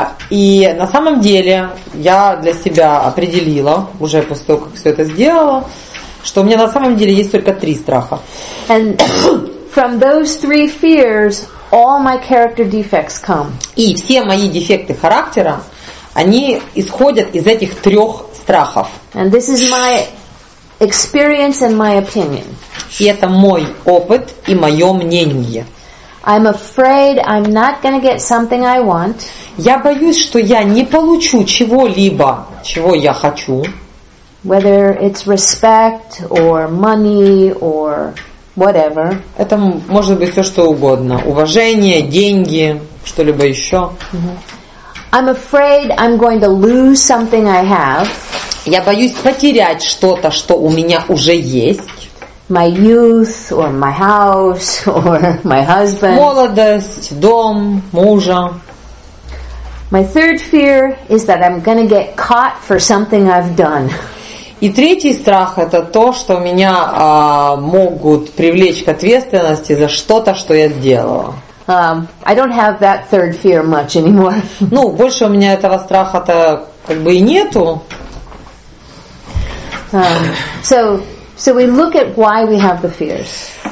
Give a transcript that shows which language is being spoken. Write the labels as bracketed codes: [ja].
[ru] И на самом деле я для себя определила, уже после того, как все это сделала, что у меня на самом деле есть только три страха. [en] And from those three fears, all my character defects come. [ru] И все мои дефекты характера, они исходят из этих трех страхов. [en] And this is my experience and my opinion. [ru] И это мой опыт и мое мнение. [en] I'm afraid I'm not going to get something I want. [ru] Я боюсь, что я не получу чего-либо, чего я хочу. [en] Whether it's respect or money or whatever. [ru] Это может быть все что угодно: уважение, деньги, что-либо еще. [en] I'm afraid I'm going to lose something I have. [ru] Я боюсь потерять что-то, что у меня уже есть. [en] My youth, or my house, or my husband. [ru] Молодость, дом, мужа. [en] My third fear is that I'm going to get caught for something I've done. [ru] И третий страх – это то, что меня могут привлечь к ответственности за что-то, что я сделала. [en] I don't have that third fear much anymore. [ru] Ну, больше у меня этого страха-то как бы и нету. [en] So we look at why we have the fears.